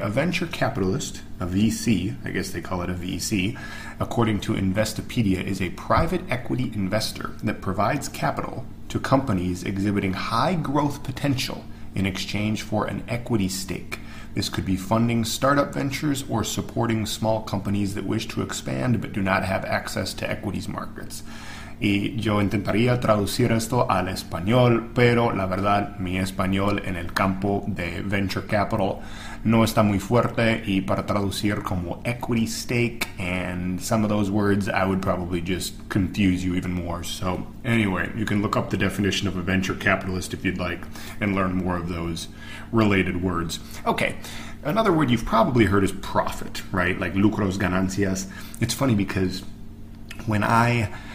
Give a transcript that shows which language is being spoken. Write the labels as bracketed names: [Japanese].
[English] A venture capitalist, a VC, I guess they call it a VC, according to Investopedia, is a private equity investor that provides capital to companies exhibiting high growth potential in exchange for an equity stake. This could be funding startup ventures or supporting small companies that wish to expand but do not have access to equities markets. [Spanish] Y yo intentaría traducir esto al español, pero la verdad, mi español en el campo de venture capital no está muy fuerte. [English] Y para traducir como equity stake and some of those words, I would probably just confuse you even more. So anyway, you can look up the definition of a venture capitalist if you'd like and learn more of those related words. Okay. Another word you've probably heard is profit, right? Like lucros, ganancias. It's funny because when I...